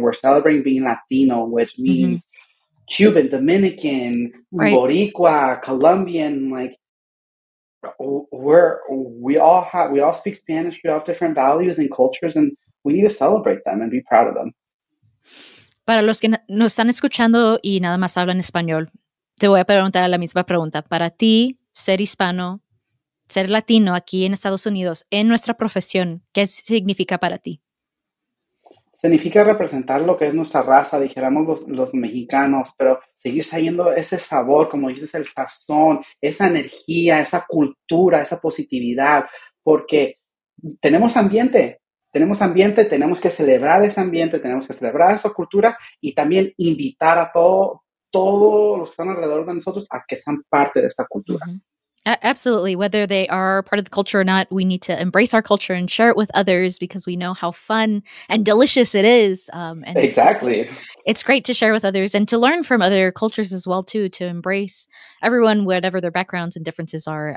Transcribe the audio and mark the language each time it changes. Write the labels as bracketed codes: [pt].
[en] We're celebrating being Latino, which means mm-hmm. Cuban, Dominican, right. Boricua, Colombian. Like we all speak Spanish. We all have different values and cultures, and we need to celebrate them and be proud of them. [es] Para los que nos están escuchando y nada más hablan español, te voy a preguntar la misma pregunta. Para ti, ser hispano, ser latino aquí en Estados Unidos, en nuestra profesión, ¿qué significa para ti? Significa representar lo que es nuestra raza, dijéramos los mexicanos, pero seguir saliendo ese sabor, como dices, el sazón, esa energía, esa cultura, esa positividad, porque tenemos ambiente. Tenemos ambiente, tenemos que celebrar ese ambiente, tenemos que celebrar esa cultura y también invitar a todos los que están alrededor de nosotros a que sean parte de esta cultura. [en] Mm-hmm. Absolutely. Whether they are part of the culture or not, we need to embrace our culture and share it with others because we know how fun and delicious it is. And exactly. It's great to share with others and to learn from other cultures as well, too, to embrace everyone, whatever their backgrounds and differences are.